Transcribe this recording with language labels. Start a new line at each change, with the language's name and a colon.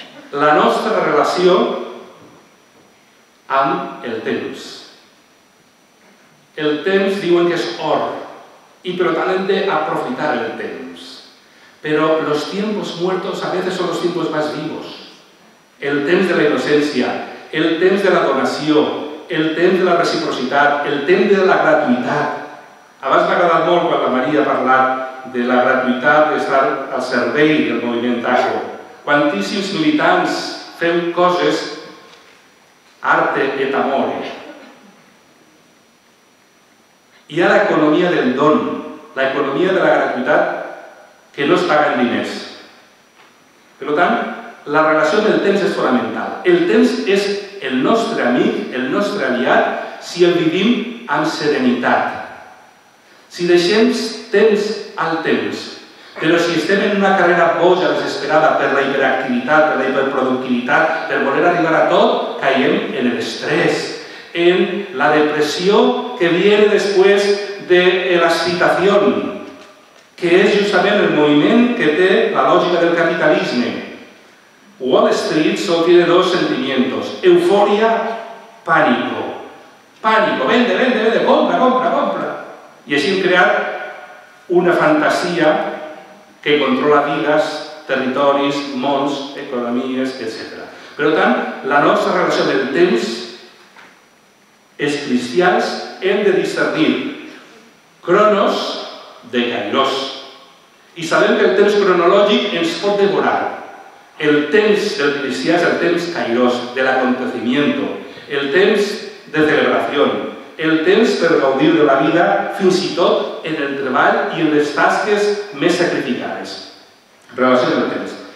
Catalan: La nostra relació amb el temps. El temps diuen que és or, i per tant hem d'aprofitar el temps.
Spanish: Però los tiempos muertos a veces son los tiempos más vivos.
Catalan: El temps de la innocència, el temps de la donació, el temps de la reciprocitat, el temps de la gratuïtat. Abans m'ha agradat molt quan la Maria ha parlat de la gratuïtat d'estar al servei del moviment ACO. Quantíssims militants fem coses
Latin: arte et amore.
Catalan: Hi ha l'economia del don, l'economia de la gratuïtat, que no es paguen diners. Per tant, la relació del temps és fonamental. El temps és el nostre amic, el nostre aliat, si el vivim amb serenitat. Si deixem temps al temps, però si estem en una carrera boja, desesperada, per la hiperactivitat, per la hiperproductivitat, per voler arribar a tot, caiem en l'estrès, en la depressió que viene després de l'excitació, que és justament el moviment que té la lògica del capitalisme.
Spanish: Wall Street solo tiene dos sentimientos: euforia, pánico. Pánico, vende, vende, vende, compra, compra, compra. Y así crear una fantasía que controla vidas, territorios, mons, economías, etc. Por lo tanto, la nuestra relación del temps es cristiana,
Catalan: hem de discernir
Spanish: cronos de kairos. Y sabemos que
Catalan: el temps cronològic ens pot devorar. El temps del cristià és el temps kairos, de l'aconteciment, el temps de celebració, el temps per gaudir de la vida, fins i tot en el treball i en les tasques més sacrificades. Relació amb el temps.